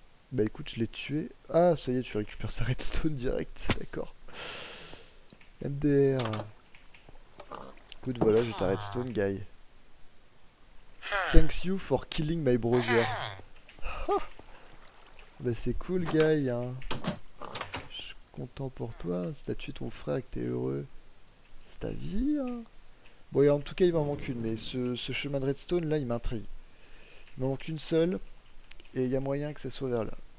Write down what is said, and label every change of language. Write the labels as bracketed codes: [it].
[fr] Bah écoute, je l'ai tué. Ah ça y est, tu récupères sa redstone direct, d'accord. MDR. Écoute voilà, j'ai ta redstone guy. [en] Thanks you for killing my brother. [fr] Bah c'est cool guy hein. Je suis content pour toi. Si t'as tué ton frère et que t'es heureux, c'est ta vie hein. Bon et en tout cas il m'en manque une, mais ce chemin de redstone là il m'intrigue. Il m'en manque une seule et il y a moyen que ça soit vers là.